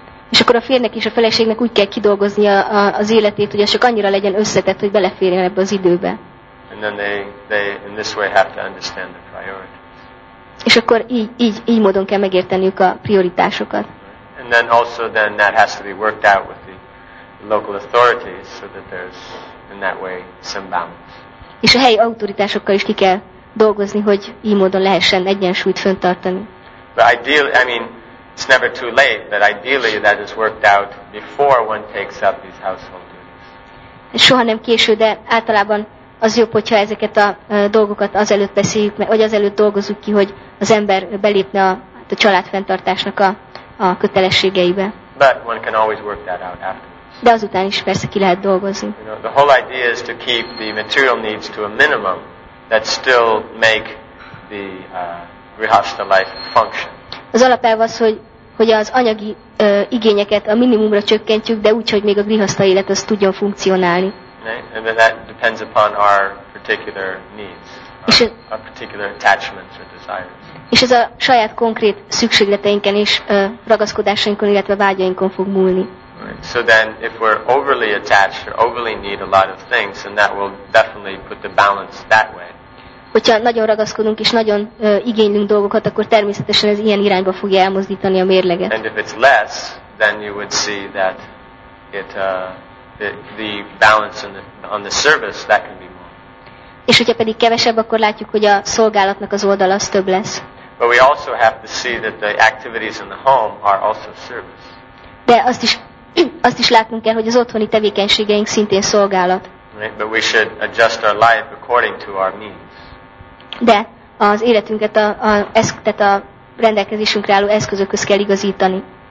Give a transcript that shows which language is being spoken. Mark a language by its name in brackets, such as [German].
[Hungarian] És akkor a férnek és a feleségnek úgy kell kidolgoznia az életét, hogy csak annyira legyen összetett, hogy beleférjen ebbe az időbe. [English] And then they in this way have to understand the priorities. [Hungarian] És akkor így módon kell megérteniük a prioritásokat. [English] And then also then that has to be worked out with the local authorities so that there's in that way some balance. [Hungarian] És a helyi autoritásokkal is ki kell dolgozni, hogy így módon lehessen egyensúlyt fenntartani. [English] But ideally, I mean, it's never too late, but ideally that is worked out before one takes up these household duties. [Hungarian] Soha nem késő, de általában az jobb, hogyha ezeket a dolgokat azelőtt beszéljük, vagy azelőtt dolgozzuk ki, hogy az ember belépne a család fenntartásnak a kötelességeibe. [English] But one can always work that out afterwards. [Hungarian] De azután is persze ki lehet dolgozni. [English] You know, the whole idea is to keep the material needs to a minimum that still make the grihastha life function. [Hungarian] Az alapelv az, hogy az anyagi igényeket a minimumra csökkentjük, de úgy, hogy még a grihastha élet az tudjon funkcionálni. [English] Right? And then that depends upon our particular needs, our particular attachments or desires. [Hungarian] És ez a saját konkrét szükségleteinken és ragaszkodásainkon, illetve vágyainkon fog múlni. [English] Right. So then if we're overly attached or overly need a lot of things, then that will definitely put the balance that way. [Hungarian] Hogyha nagyon ragaszkodunk és nagyon igénylünk dolgokat, akkor természetesen ez ilyen irányba fogja elmozdítani a mérleget. [English] And if it's less, then you would see that it the balance on the service that can be more. [Hungarian] És hogyha pedig kevesebb, akkor látjuk, hogy a szolgálatnak az oldala az több lesz. [English] But we also have to see that the activities in the home are also service. [Hungarian] De azt is látnunk kell, hogy az otthoni tevékenységeink szintén szolgálat. [English] Right? But we should adjust our life according to our means. [Hungarian] De az életünket a rendelkezésünkre álló eszközökhöz kell igazítani.